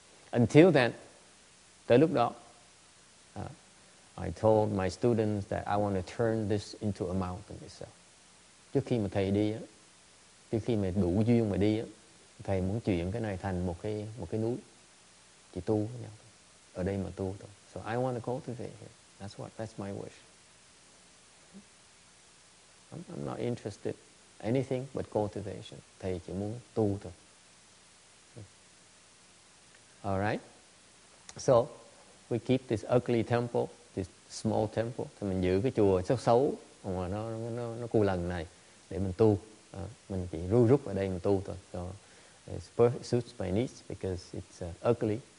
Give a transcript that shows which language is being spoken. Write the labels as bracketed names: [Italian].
[English] Until then, [Vietnamese] tới lúc đó, [English] I told my students that I want to turn this into a mountain itself. [Vietnamese] Trước khi mà thầy đi, trước khi mà đủ duyên mà đi, thầy muốn chuyển cái này thành một cái núi. Chỉ tu với nhau. Ở đây mà tu thôi. [English] So I want to cultivate here. That's my wish. I'm not interested in anything but cultivation. [Vietnamese] Thầy chỉ muốn tu thôi. [English] All right? So, we keep this ugly temple, this small temple. [Vietnamese] Thì mình giữ cái chùa xấu mà nó cù lần này để mình tu. Mình chỉ ru rúc ở đây mình tu thôi. [English] So, it suits my needs because it's ugly.